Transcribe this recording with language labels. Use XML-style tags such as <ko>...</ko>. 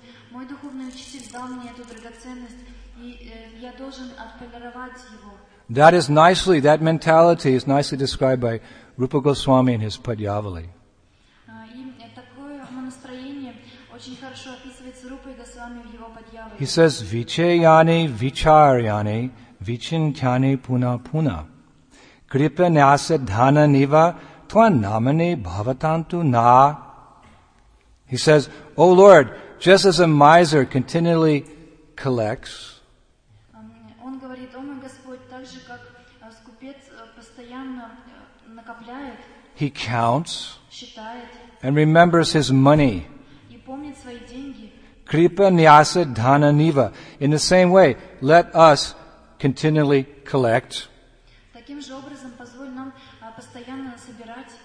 <ru>Мой духовный учитель дал мне эту драгоценность, и я должен отполировать его.</ru> <en>That is nicely, that mentality is nicely described by Rupa Goswami in his Padyavali.</en> <ru>И такое настроение очень хорошо описывается Рупой Госвами в его Падьявали.</ru> <en>He says,</en> <sa>Vichayani Vicharyani Vichintyani Puna Puna Kripa Nyasa Dhana Niva Tva Namani Bhavatantu Na.</sa> <en>He says, O Lord, just as a miser continually collects,</en> <ru>он говорит, о мой Господь, так же как скупец постоянно накапливает,</ru> <en>he counts,</en> <ru>считает,</ru> <en>and remembers his money,</en> <ru>и помнит свои деньги.</ru> <sa>Kripa Nyasa Dhana Niva.</sa> <en>In the same way, let us continually collect,</en> <ru>таким же образом позволь нам постоянно собирать,</ru>